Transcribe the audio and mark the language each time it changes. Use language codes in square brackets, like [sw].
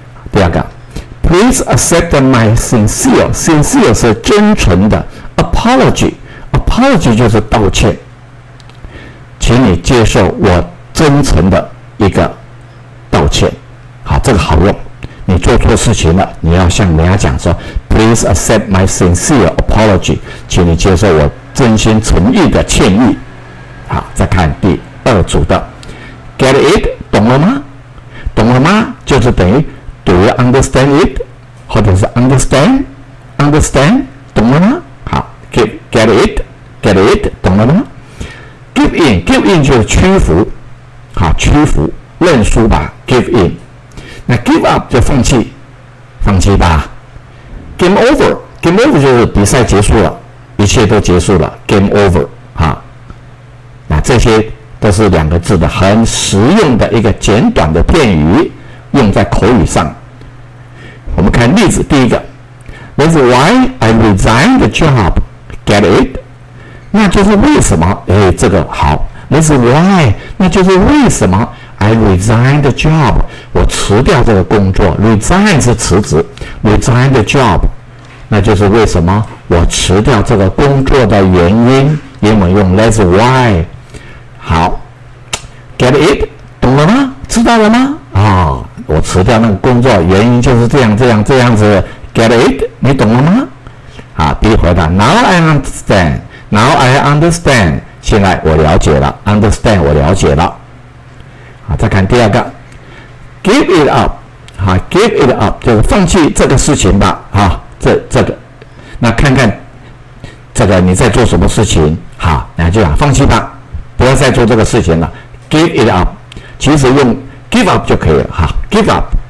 [zh] 第二个 [en] Please accept my sincere， [zh] sincere 是真诚的， apology， apology 就是道歉，请你接受我真诚的一个道歉，好，这个好用，你做错事情了，你要向人家讲说 [en] Please accept my sincere apology， [zh] 请你接受我真心诚意的歉意。好，再看第二组的 [en] Get it， [zh] 懂了吗？懂了吗？就是等于 [en] Do you understand it， [zh] 或者是 understand， understand， 懂了吗？好， [en] get it， get it， [zh] 懂了吗？ [en] Give in， give in [zh] 就是屈服，好，屈服认输吧， give in。那 [en] give up [zh] 就放弃，放弃吧。 [en] Game over， game over [zh] 就是比赛结束了，一切都结束了， game over 啊。那这些都是两个字的很实用的一个简短的片语，用在口语上。我们看例子，第一个 [en] That's why I resigned the job， get it， [zh] 那就是为什么，哎，这个好， That's why， 那就是为什么 [en] I resigned the job， [zh] 我辞掉这个工作， resign 是辞职， resigned the job， 那就是为什么我辞掉这个工作的原因，英文用 that's why。好， [en] get it， [zh] 懂了吗？知道了吗？啊，我辞掉那个工作原因就是这样这样这样子， [en] get it， [zh] 你懂了吗？啊， B 回答 [en] now I understand， now I understand， [zh] 现在我了解了， understand 我了解了。好，再看第二个 ， [en] give it up， [zh] 好 ，give it up 就是放弃这个事情吧，啊，这个，那看看这个你在做什么事情，好，然后就讲放弃吧，不要再做这个事情了， [en] give it up， [zh] 其实用 [en] give up [zh] 就可以了，好， give up，